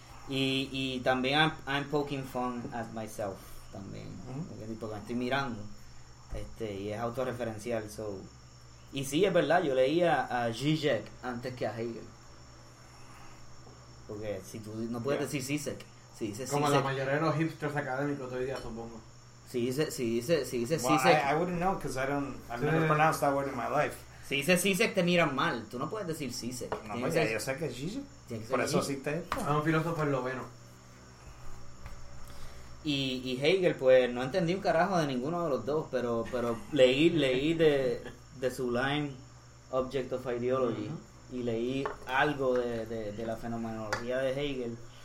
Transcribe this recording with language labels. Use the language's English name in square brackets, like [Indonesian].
[Spanish] Y también I'm poking fun at myself también. Uh-huh. Porque me estoy mirando. Y es autorreferencial. So. Y sí, es verdad, yo leía a Zizek antes que a Hegel. Porque si tú no puedes decir Zizek, si dices como Zizek, la mayoría de los hipsters académicos hoy día, supongo. Si dice [English] well, [Spanish] Zizek. [English] I wouldn't know because I've never pronounced that word in my life. [Spanish] Si dice Zizek, te miran mal. Tú no puedes decir Zizek. No, pues ya yo sé que es Zizek. Por eso existe esto. Es un filósofo esloveno. Y Hegel, pues, no entendí un carajo de ninguno de los dos, pero leí de Sublime Object of Ideology, uh-huh, y leí algo de la fenomenología de Hegel.